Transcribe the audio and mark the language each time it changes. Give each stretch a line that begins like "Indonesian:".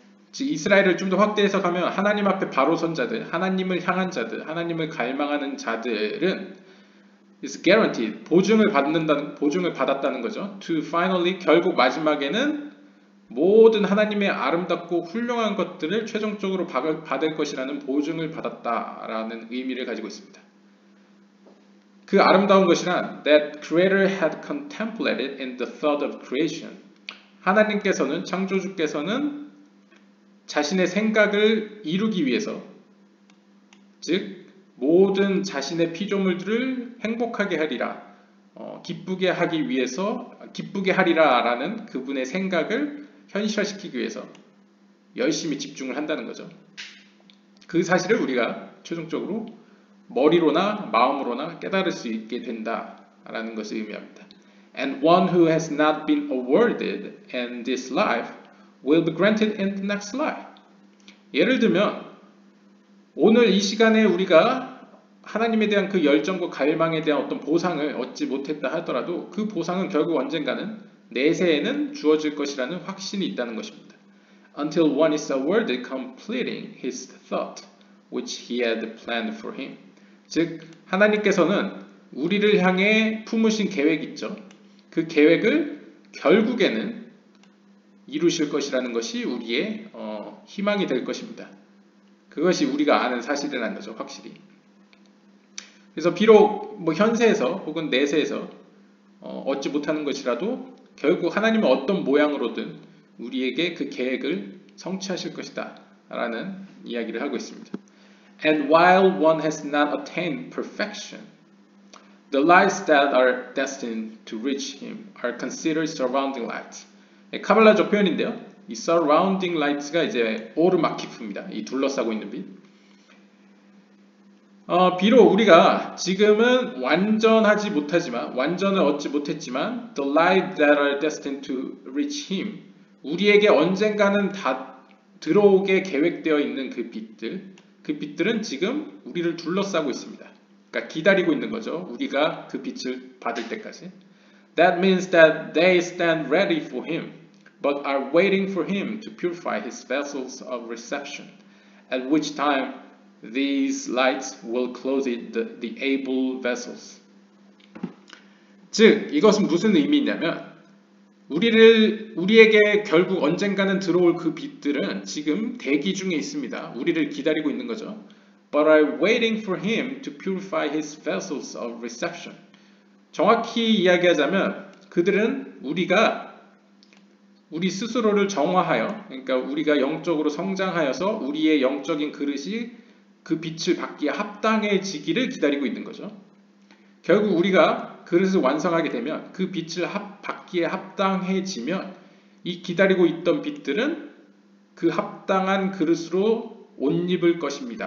Korean: 즉 이스라엘을 좀 더 확대해서 가면 하나님 앞에 바로 선 자들, 하나님을 향한 자들, 하나님을 갈망하는 자들은
English: is guaranteed
Korean: 보증을 받았다는 거죠.
English: To finally
Korean: 결국 마지막에는 모든 하나님의 아름답고 훌륭한 것들을 최종적으로 받을 것이라는 보증을 받았다라는 의미를 가지고 있습니다. 그 아름다운 것이란
English: that creator had contemplated in the thought of creation.
Korean: 하나님께서는 창조주께서는 자신의 생각을 이루기 위해서 즉 모든 자신의 피조물들을 행복하게 하리라 기쁘게 하기 위해서 기쁘게 하리라 라는 그분의 생각을 현실화시키기 위해서 열심히 집중을 한다는 거죠. 그 사실을 우리가 최종적으로 머리로나 마음으로나 깨달을 수 있게 된다라는 것을 의미합니다.
English: And one who has not been awarded in this life will be granted in the next life.
Korean: 예를 들면 오늘 이 시간에 우리가 하나님에 대한 그 열정과 갈망에 대한 어떤 보상을 얻지 못했다 하더라도 그 보상은 결국 언젠가는 내세에는 주어질 것이라는 확신이 있다는 것입니다.
English: Until one is awarded completing his thought which he had planned for him.
Korean: 즉 하나님께서는 우리를 향해 품으신 계획 있죠. 그 계획을 결국에는 이루실 것이라는 것이 우리의 희망이 될 것입니다. 그것이 우리가 아는 사실이라는 거죠. 확실히. 그래서 비록 뭐 현세에서 혹은 내세에서 얻지 못하는 것이라도 결국 하나님은 어떤 모양으로든 우리에게 그 계획을 성취하실 것이다 라는 이야기를 하고 있습니다.
English: And while one has not attained perfection, the lights that are destined to reach him are considered surrounding lights.
Korean: 카발라적 표현인데요. 이 surrounding lights가 이제 오르막키프입니다. 이 둘러싸고 있는 빛. 비록 우리가 지금은 완전하지 못하지만, 완전을 얻지 못했지만,
English: the lights that are destined to reach him,
Korean: 우리에게 언젠가는 다 들어오게 계획되어 있는 그 빛들, 그 빛들은 지금 우리를 둘러싸고 있습니다. 그러니까 기다리고 있는 거죠. 우리가 그 빛을 받을 때까지.
English: That means that they stand ready for him, but are waiting for him to purify his vessels of reception, at which time these lights will close the able vessels.
Korean: 즉, 이것은 무슨 의미냐면 우리에게 결국 언젠가는 들어올 그 빛들은 지금 대기 중에 있습니다. 우리를 기다리고 있는 거죠.
English: But I'm waiting for him to purify his vessels of reception.
Korean: 정확히 이야기하자면 그들은 우리가 우리 스스로를 정화하여 그러니까 우리가 영적으로 성장하여서 우리의 영적인 그릇이 그 빛을 받기에 합당해지기를 기다리고 있는 거죠. 결국 우리가 그릇을 완성하게 되면 그 빛을 받기에 합당해지면 이 기다리고 있던 빛들은 그 합당한 그릇으로 옷 입을 것입니다.